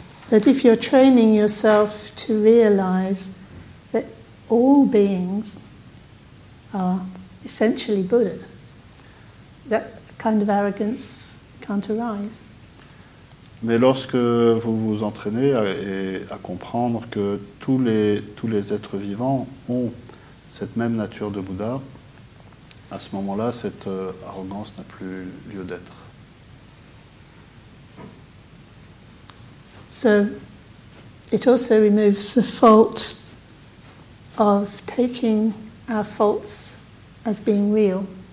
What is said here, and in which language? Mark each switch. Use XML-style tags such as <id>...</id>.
<en>But if you're training yourself to realize that all beings are essentially Buddha, that kind of arrogance can't arise.</en> <fr>Mais lorsque vous vous entraînez à comprendre que tous les êtres vivants ont cette même nature de Bouddha, à ce moment-là, cette arrogance n'a plus lieu d'être.</fr> <en>So, it also removes the fault of taking our faults as being real.</en>